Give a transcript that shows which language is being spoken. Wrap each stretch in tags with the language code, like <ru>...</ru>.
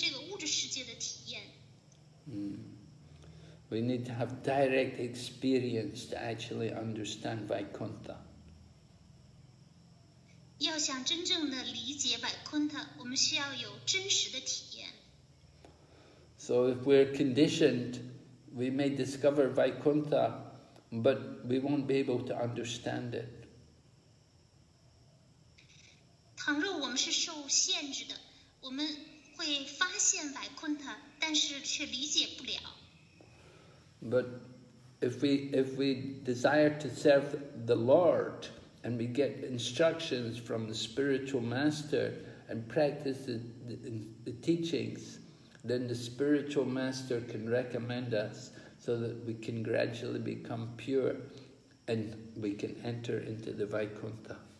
<zh>来讲述灵性世界，因为我们没有体验，我们拥有的体验全是对这个物质世界的体验。</zh> <en>We need to have direct experience to actually understand Vaikuntha.</en> <zh>要想真正的理解百昆特，我们需要有真实的体验。</zh> <en>So if we're conditioned, we may discover Vaikuntha, but we won't be able to understand it.</en> <zh>倘若我们是受限制的，我们会发现百昆特，但是却理解不了。</zh> <en>But if we desire to serve the Lord and we get instructions from the spiritual master and practice the teachings, then the spiritual master can recommend us so that we can gradually become pure and we can enter into the Vaikuntha.</en>